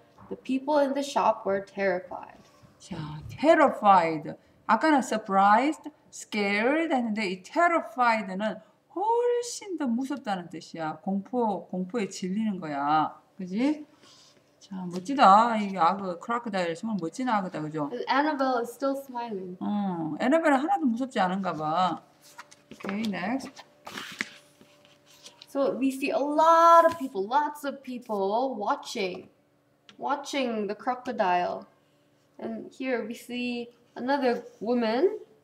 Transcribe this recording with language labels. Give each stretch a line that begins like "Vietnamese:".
English: The people in the shop were terrified. 자, terrified.
Korean: 아까는 surprised. Scared 했는데 이 terrified는 훨씬 더 무섭다는 뜻이야. 공포에 질리는 거야. 그지? 자, 멋지다. 이게 악어, 크로커다일 정말 멋진 악어다. 그죠?
English: Annabelle is still smiling.
Korean: 애너벨은 하나도 무섭지 않은가 봐.
English: Okay, next. So we see a lot of people, lots of people watching the crocodile. And here we see another woman.